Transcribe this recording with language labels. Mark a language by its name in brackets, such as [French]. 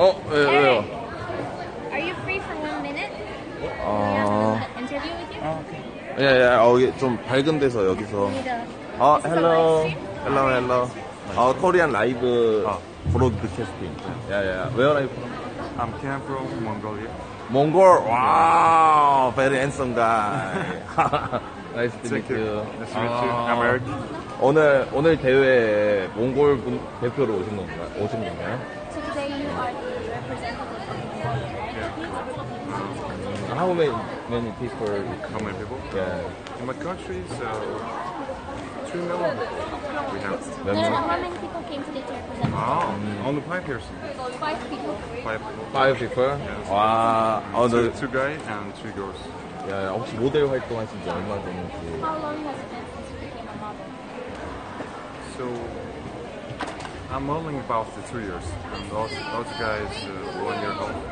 [Korean] 왜요? [English] Are you free for 1 minute? Interview with you? Okay. Yeah. [Korean] 여기 좀 밝은 데서 여기서. [English] 아, hello. Hello, hello. 아, Korean live broadcasting. Yeah. Where are you from? I'm Cam from Mongolia. Mongol. Wow, very handsome guy. Nice to meet you. Nice to meet you. I'm Eric. [Korean] 오늘 대회 몽골 분 대표로 오신 건가? 오신 건가요? [English] So today you are the representative. How many people? How many people? Yeah. In my country, so 2 million. We have. No, no, no. How many people came today to represent? Ah, only 5 person. 5 people. Yeah. Wow. Oh, two guys and 2 girls. Yeah. [Korean] 혹시 모델 활동하신 지 얼마 됐는지? [English] How long has it been since you became a model? So I'm modeling about 3 years, and those guys 1 year old.